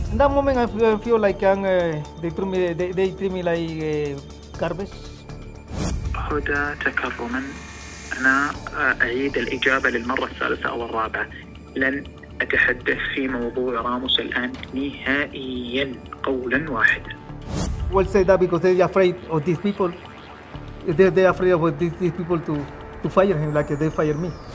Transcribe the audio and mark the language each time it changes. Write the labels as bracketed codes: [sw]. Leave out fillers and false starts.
[en] In that moment I feel like I'm they treat me like garbage. [ar] هدى تكرما أنا أعيد الإجابة للمرة الثالثة أو الرابعة، لن أتحدث في موضوع راموس الآن نهائيا قولا واحدا. [en] Well say that because they're afraid of these people. They're afraid of these people to fire him like they fire me.